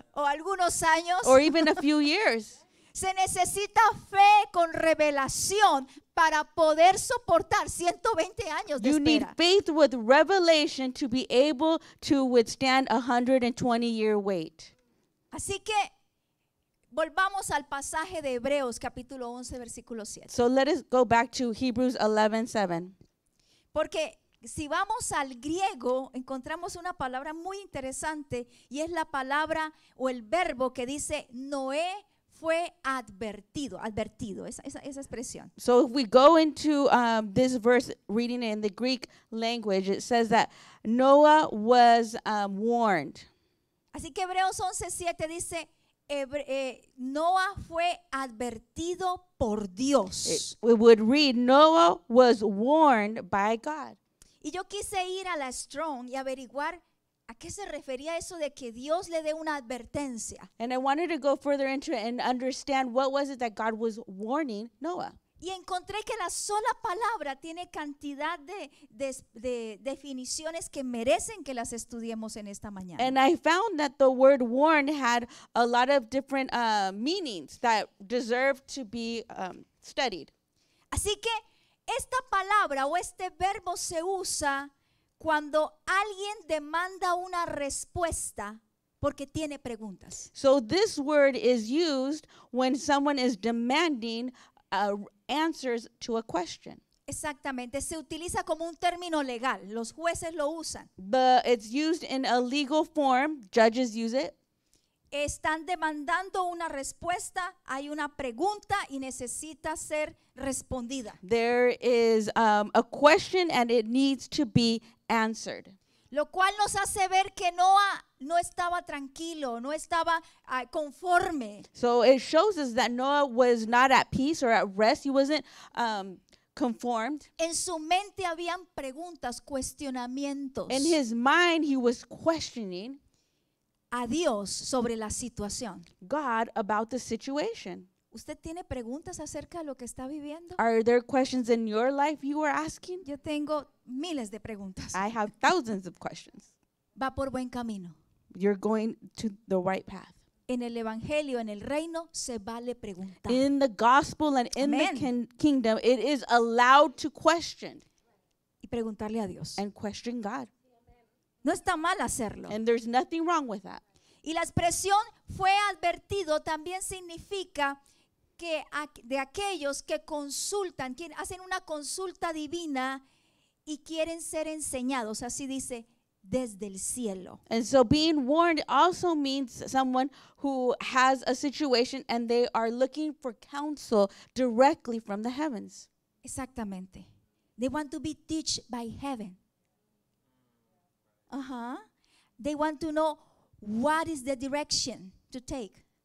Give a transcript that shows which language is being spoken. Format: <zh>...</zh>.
<es>O algunos años.</es> <en>Or even a few years.</en> <es>Se necesita fe con revelación para poder soportar 120 años de espera.</es> <en>You need faith with revelation to be able to withstand a 120-year wait.</en> <es>Así que volvamos al pasaje de Hebreos, capítulo 11, versículo 7.</es> <en>So let us go back to Hebrews 11, 7.</en> <es>Porque si vamos al griego, encontramos una palabra muy interesante y es la palabra o el verbo que dice Noé fue advertido, advertido, esa expresión.</es> <en>So if we go into this verse, reading it in the Greek language, it says that Noah was warned.</en> <es>Así que Hebreos 11:7 dice, Noah fue advertido por Dios.</es> <en>We would read, Noah was warned by God.</en> <es>Y yo quise ir a la Strong y averiguar, ¿a qué se refería eso de que Dios le dé una advertencia?</es> <en>And I wanted to go further into it and understand what was it that God was warning Noah.</en> <es>Y encontré que la sola palabra tiene cantidad de definiciones que merecen que las estudiemos en esta mañana.</es> <en>And I found that the word warn had a lot of different meanings that deserve to be studied.</en> <es>Así que esta palabra o este verbo se usa cuando alguien demanda una respuesta porque tiene preguntas.</es> <en>So this word is used when someone is demanding answers to a question.</en> <es>Exactamente, se utiliza como un término legal, los jueces lo usan.</es> <en>But it's used in a legal form, judges use it.</en> <es>Están demandando una respuesta, hay una pregunta y necesita ser respondida.</es> <en>There is a question and it needs to be answered.</en> <es>Lo cual nos hace ver que Noah no estaba tranquilo, no estaba conforme.</es> <en>So it shows us that Noah was not at peace or at rest. He wasn't conformed.</en> <es>En su mente habían preguntas, cuestionamientos.</es> <en>In his mind he was questioning</en> <es>a Dios sobre la situación.</es> <en>God about the situation.</en> <es>¿Usted tiene preguntas acerca de lo que está viviendo?</es> <en>Are there questions in your life you are asking?</en> <es>Yo tengo miles de preguntas.</es> <en>I have thousands of questions.</en> <es>Va por buen camino.</es> <en>You're going to the right path.</en> <es>En el evangelio, en el reino, se vale preguntar.</es> <en>In the gospel and in Amen. The kingdom, it is allowed to question.</en> <es>Y preguntarle a Dios.</es> <en>And question God.</en> <es>No está mal hacerlo.</es> <en>And there's nothing wrong with that.</en> <es>Y la expresión fue advertido también significa que de aquellos que consultan, que hacen una consulta divina y quieren ser enseñados, así dice, desde el cielo.</es> <en>And so being warned also means someone who has a situation and they are looking for counsel directly from the heavens.</en> <es>Exactamente.</es> <en>They want to be taught by heaven. Uh-huh. They want to know what is the direction to take.</en>